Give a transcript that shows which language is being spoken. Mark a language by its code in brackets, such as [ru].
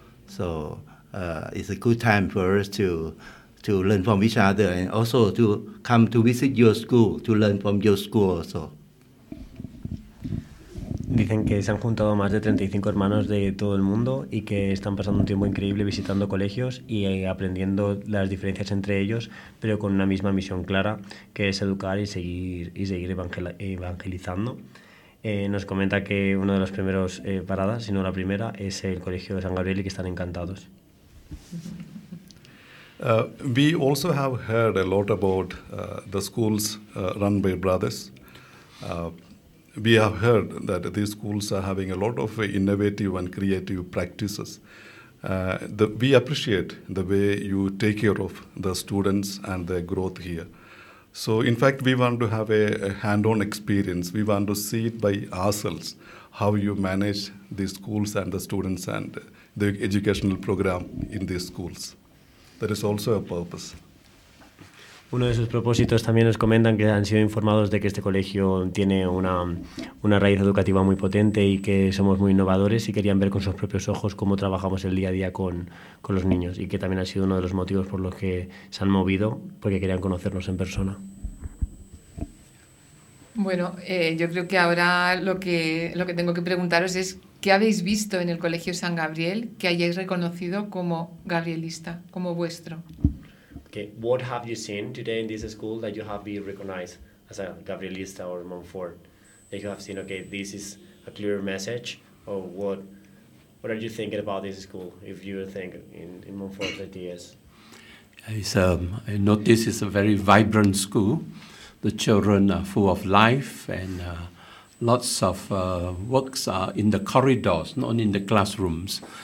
[en] So it's a good time for us to learn from each other and also to come to visit your school, to learn from your school also. [es] Dicen que se han juntado más de 35 hermanos de todo el mundo y que están pasando un tiempo increíble visitando colegios y aprendiendo las diferencias entre ellos, pero con una misma misión clara, que es educar y seguir evangelizando. Nos comenta que una de las primeras paradas, si no la primera, es el Colegio de San Gabriel y que están encantados. [en] We also have heard a lot about the schools run by brothers. We have heard that these schools are having a lot of innovative and creative practices. We appreciate the way you take care of the students and their growth here. So, in fact, we want to have a hands-on experience. We want to see it by ourselves, how you manage the schools and the students and the educational program in these schools. That is also a purpose. [es] Uno de sus propósitos también nos comentan que han sido informados de que este colegio tiene una raíz educativa muy potente y que somos muy innovadores y querían ver con sus propios ojos cómo trabajamos el día a día con los niños y que también ha sido uno de los motivos por los que se han movido, porque querían conocernos en persona. Bueno, yo creo que ahora lo que tengo que preguntaros es ¿qué habéis visto en el Colegio San Gabriel que hayáis reconocido como gabrielista, como vuestro? [en] What have you seen today in this school that you have been recognized as a Gabrielista or Montfort? That you have seen, okay, this is a clear message, or what are you thinking about this school if you think in Montfort ideas? I noticed this is a very vibrant school. The children are full of life and lots of works are in the corridors, not in the classrooms.